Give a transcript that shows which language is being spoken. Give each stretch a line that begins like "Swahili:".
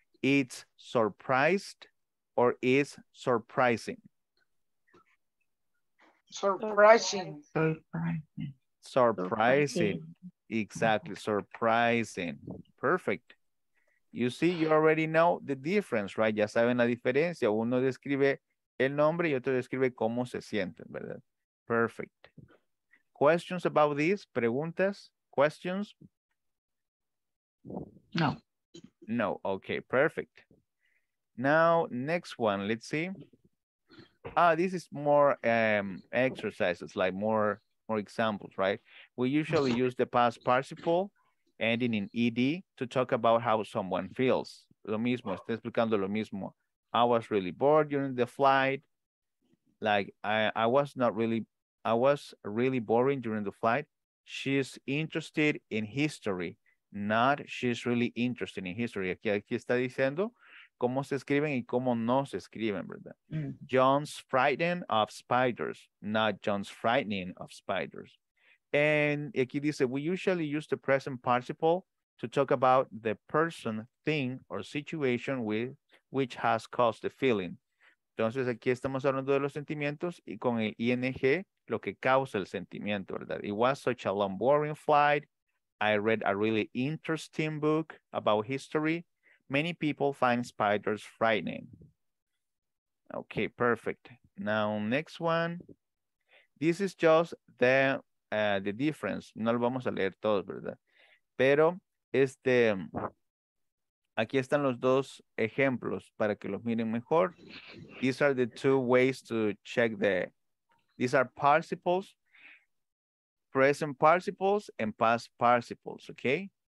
English: It's surprised or is surprising? Surprising. Surprising. Exactly. Surprising. Perfect. You see, you already know the difference, right?
Spanish: Ya saben la diferencia. Uno describe el nombre y otro describe cómo se sienten, ¿verdad?
English: Perfect. Questions about this?
Spanish: Preguntas?
English: Questions? No. No. Okay, perfect. Now, next one, let's see. Ah, this is more exercises, like more examples, right? We usually use the past participle ending in ed to talk about how someone feels.
Spanish: Lo mismo, estoy explicando lo mismo.
English: I was really bored during the flight. Like, I was really boring during the flight. She's interested in history, not she's really interested in history.
Spanish: Aquí está diciendo cómo se escriben y cómo no se escriben, ¿verdad? Mm.
English: John's frightened of spiders, not John's frightening of spiders. And
Spanish: aquí dice,
English: we usually use the present participle to talk about the person, thing, or situation with which has caused the feeling.
Spanish: Entonces, aquí estamos hablando de los sentimientos y con el ING, lo que causa el sentimiento, ¿verdad?
English: It was such a long, boring flight. I read a really interesting book about history. Many people find spiders frightening. Okay, perfect. Now, next one. This is just the difference.
Spanish: No lo vamos a leer todos, ¿verdad? Pero, aquí están los dos ejemplos para que los miren mejor.
English: These are the two ways to check the... These are participles, present participles, and past participles, okay?